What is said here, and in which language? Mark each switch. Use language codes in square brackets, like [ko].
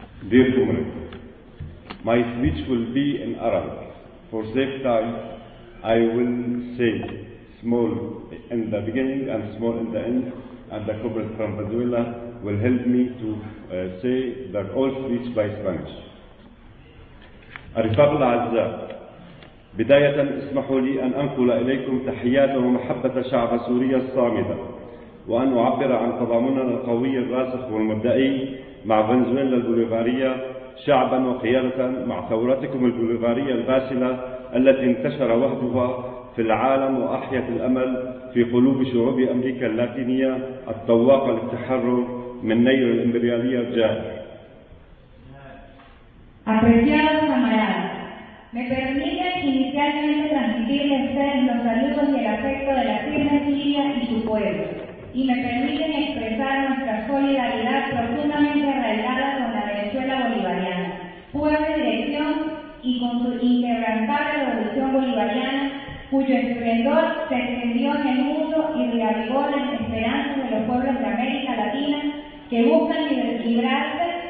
[en] Dear comrades, my speech will be in Arabic. For sake of time, I will say small in the beginning and small in the end, and the comrades from Venezuela will help me to say the whole speech by Spanish. [ar] أرفاق الأعزاء، بداية اسمحوا لي أن أنقل إليكم تحيات ومحبة شعب سوريا الصامدة، وأن أعبر عن تضامننا القوي الراسخ والمبدئي مع فنزويلا البوليفارية شعبا وقيادة مع ثورتكم البوليفارية الباسلة التي انتشر وحدها في العالم وأحيت الأمل في قلوب شعوب أمريكا اللاتينية الطواقة للتحرر من نير الإمبريالية الجائر. [es] Apreciados camaradas, me permiten inicialmente transmitirle a ustedes los saludos y el afecto de la tierra siria y su pueblo. Y me permiten expresar nuestra solidaridad profundamente arraigada con la Venezuela bolivariana, pueblo de elección y con su inquebrantable revolución bolivariana, cuyo esplendor se extendió en el mundo y reavivó las esperanzas de los pueblos de América Latina que buscan librarse